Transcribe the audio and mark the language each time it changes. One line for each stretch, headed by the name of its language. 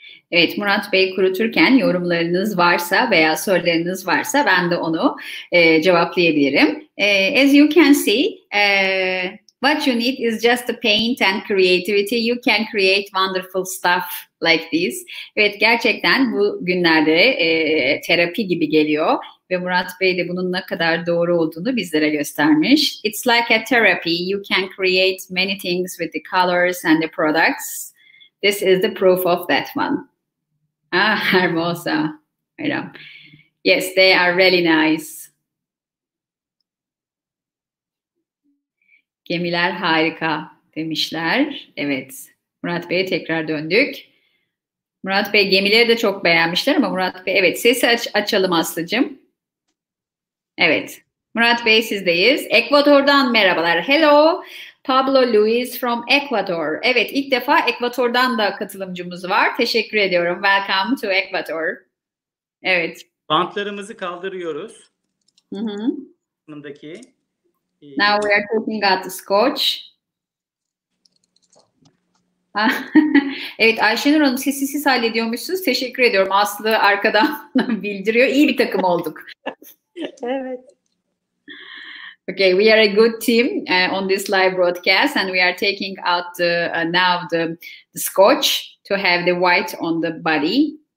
Turkish: Evet, Murat Bey kuruturken yorumlarınız varsa veya sorularınız varsa ben de onu cevaplayabilirim.
English: As you can see, what you need is just the paint and creativity. You can create wonderful stuff like this.
Turkish: Evet, gerçekten bu günlerde terapi gibi geliyor. Ve Murat Bey de bunun ne kadar doğru olduğunu bizlere göstermiş.
English: It's like a therapy. You can create many things with the colors and the products. This is the proof of that one.
Spanish: Ah, hermosa.
English: Yes, they are really nice.
Turkish: Gemiler harika demişler. Evet, Murat Bey'e tekrar döndük. Murat Bey gemileri de çok beğenmişler ama Murat Bey, evet, sesi açalım Aslı'cığım. Evet, Murat Bey sizdeyiz. Ekvador'dan merhabalar.
English: Hello, Pablo Luis from Ecuador.
Turkish: Evet, ilk defa Ekvador'dan da katılımcımız var. Teşekkür ediyorum. Welcome to Ecuador. Evet. Bantlarımızı kaldırıyoruz. Mm-hmm. Bundaki.
English: Now we are taking out the scotch.
Turkish: Evet, Ayşenur Hanım, siz hallediyormuşsunuz. Teşekkür ediyorum. Aslı arkadan bildiriyor. İyi bir takım olduk. Evet.
English: Okay, we are a good team on this live broadcast, and we are taking out the, now the scotch to have the white on the body.